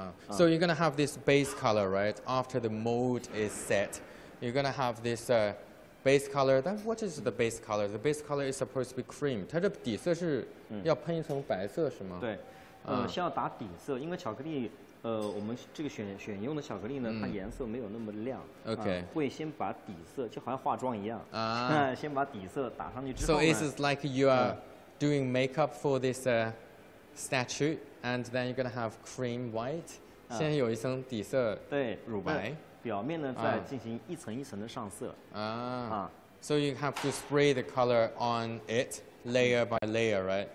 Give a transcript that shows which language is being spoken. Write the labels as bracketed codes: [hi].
[en] So you're gonna have this base color, right? After the mold is set. You're gonna have this base color. Then what is the base color? The base color is supposed to be cream. [zh] 它的底色是要喷一层白色是吗？对，先要打底色，因为巧克力，我们这个选用的巧克力呢，它颜色没有那么亮。OK。会先把底色，就好像化妆一样。先把底色打上去之后。 [en] So it is like you are doing makeup for this statue, and then you're gonna have cream white. [zh] 先有一层底色，对，乳白。表面呢，再进行一层一层的上色。 [en] So you have to spray the color on it layer by layer, right?